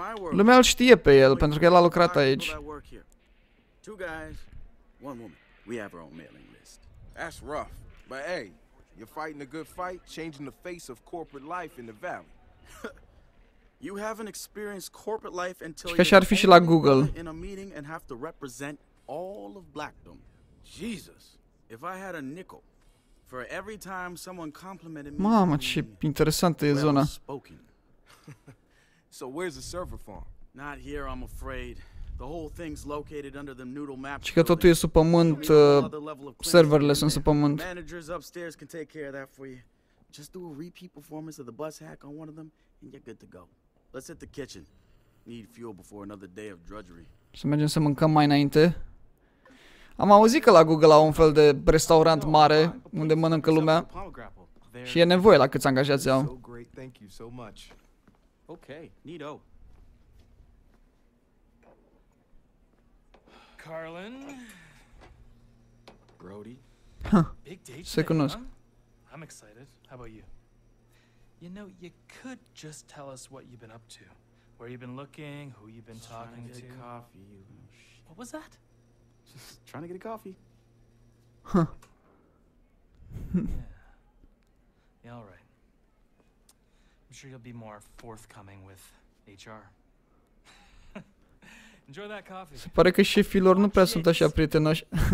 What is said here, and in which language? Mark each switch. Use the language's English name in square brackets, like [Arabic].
[Romanian] Lumea îl știe pe el pentru că el a lucrat aici. [English] Two guys, one woman. We have our own mailing. That's rough, but hey, you're fighting a good fight, changing the face of corporate life in the valley. You haven't experienced corporate life until you're in a meeting and have to represent all of Blackdom. Jesus, if I had a nickel for every time someone complimented me. [Romanian] Mama, ce interesantă e zona. [English] So where's the server farm? Not here, I'm afraid. The whole thing's located under the Noodle map. [Romanian] Și că totul e sub pământ, serverele sunt sub pământ. [English] Managers upstairs can take care of that for you. Just do a repeat performance of the bus hack on one of them and you're good to go. Let's hit the kitchen. Need fuel before another day of drudgery. [Romanian] Să mergem să mâncăm mai înainte. Am auzit că la Google au un fel de restaurant mare unde mănâncă lumea. Și e nevoie la câți angajați au. [English] Okay, neato. Carlin, Brody, big day. [Romanian] Se cunosc. [English] I'm excited. How about you? You know, you could just tell us what you've been up to. Where you've been looking, who you've been talking to. Trying to get a coffee, you. What was that? Just trying to get a coffee. Huh. Yeah, all right. I'm sure you'll be more forthcoming with HR. Enjoy that coffee. [Romanian] Se pare că șefii lor nu prea sunt așa prietenoși.